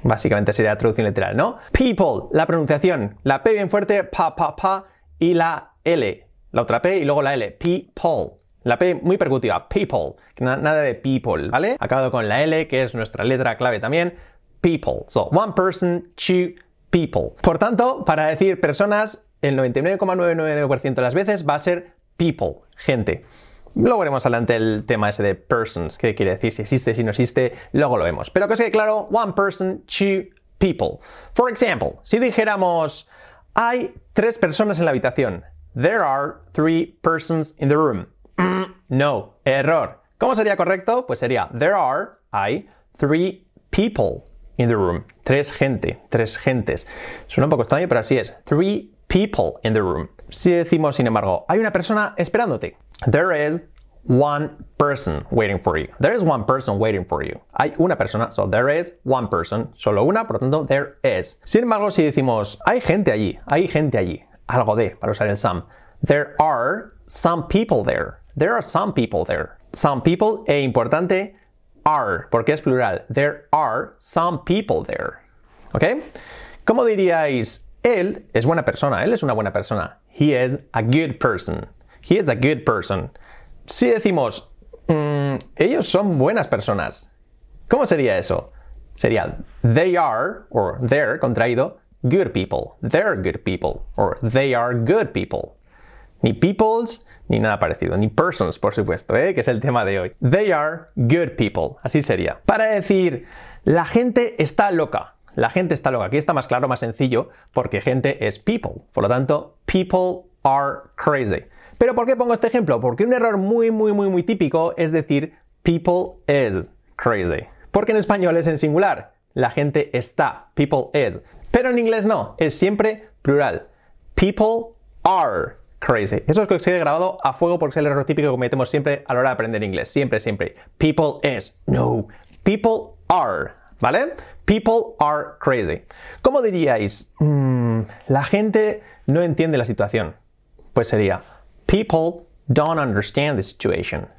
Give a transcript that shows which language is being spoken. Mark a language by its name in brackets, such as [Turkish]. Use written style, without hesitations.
[Spanish] Básicamente sería la traducción literal, ¿no? People, la pronunciación, la P bien fuerte, pa, pa, pa, y la L. La otra P y luego la L, people. La P muy percutiva, people, nada de people, ¿vale? Acabado con la L, que es nuestra letra clave también, people. [English] So, one person, two people. [Spanish] Por tanto, para decir personas, el 99,999% de las veces va a ser people, gente. Luego veremos adelante el tema ese de persons, qué quiere decir, si existe, si no existe, luego lo vemos. Pero que os quede claro, [English] one person, two people. For example, [Spanish] si dijéramos, hay tres personas en la habitación. [English] There are three persons in the room. [Spanish] No, error. ¿Cómo sería correcto? Pues sería, [English] there are, [Spanish] hay, [English] three people in the room. [Spanish] Tres gente, tres gentes. Suena un poco extraño, pero así es. [English] Three people in the room. [Spanish] Si decimos, sin embargo, hay una persona esperándote. [English] There is one person waiting for you. There is one person waiting for you. [Spanish] Hay una persona, [English] so there is one person. [Spanish] Solo una, por lo tanto, [English] there is. [Spanish] Sin embargo, si decimos, hay gente allí, algo de, para usar el some. [English] There are some people there. There are some people there. Some people, [Spanish] e importante, [English] are, [Spanish] porque es plural. [English] There are some people there. [Spanish] ¿Ok? ¿Cómo diríais, él es buena persona? Él es una buena persona. [English] He is a good person. He is a good person. [Spanish] Si decimos, ellos son buenas personas. ¿Cómo sería eso? Sería, [English] they are, or they're, [Spanish] contraído, [English] good people. They're good people, or they are good people. [Spanish] Ni peoples, ni nada parecido. Ni persons, por supuesto, que es el tema de hoy. [English] They are good people. [Spanish] Así sería. Para decir, la gente está loca. La gente está loca. Aquí está más claro, más sencillo, porque gente es people. Por lo tanto, [English] people are crazy. [Spanish] ¿Pero por qué pongo este ejemplo? Porque un error muy, muy, muy, muy típico es decir [English] people is crazy. [Spanish] Porque en español es en singular. La gente está. [English] People is. [Spanish] Pero en inglés no. Es siempre plural. [English] People are crazy. [Spanish] Eso es lo que os he grabado a fuego porque es el error típico que cometemos siempre a la hora de aprender inglés. Siempre, siempre. [English] People is. [Spanish] No. [English] People are. [Spanish] ¿Vale? [English] People are crazy. [Spanish] ¿Cómo diríais? La gente no entiende la situación. Pues sería... [English] People don't understand the situation.